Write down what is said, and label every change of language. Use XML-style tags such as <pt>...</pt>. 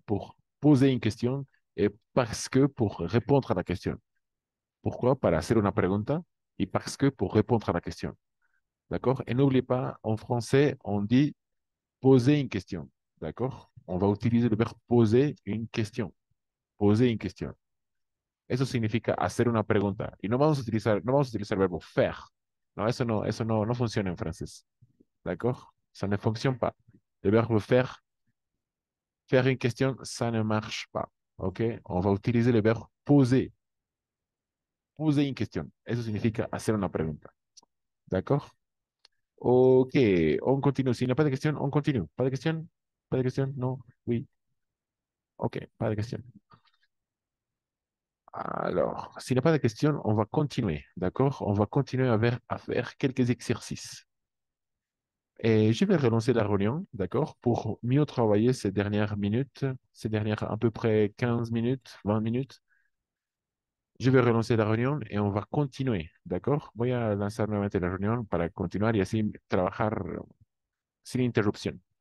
<fr>Pour poser une question et parce que pour répondre à la question. Pourquoi?</fr> <es>Para hacer una pregunta y</es> <fr>parce que pour répondre à la question. D'accord? Et n'oublie pas, en français, on dit poser une question. D'accord? On va utiliser le verbe poser une question. Poser une question.</fr> <es>Eso significa hacer una pregunta. Y no vamos a utilizar el verbo faire. No, eso no funciona en francés.</es> <fr>¿D'accord? Ça ne fonctionne pas.</fr> <es>El verbo</es> <fr>faire une question, ça ne marche pas. ¿Ok? On va utiliser</fr> <es>el verbo</es> <fr>poser. Poser une question.</fr> <es>Eso significa hacer una pregunta.</es> <fr>¿D'accord? Ok. On continue. Si no, pas de question, on continue. ¿Pas de question? ¿Pas de question? No. Oui. Ok. Pas de question. Alors, s'il n'y a pas de questions, on va continuer, d'accord? On va continuer à faire quelques exercices. Et je vais relancer la réunion, d'accord? Pour mieux travailler ces dernières minutes, ces dernières à peu près 15 minutes, 20 minutes. Je vais relancer la réunion et on va continuer, d'accord?</fr> <es>Voy a lancer nuevamente la réunion para continuar y así trabajar sin interrupción.</es>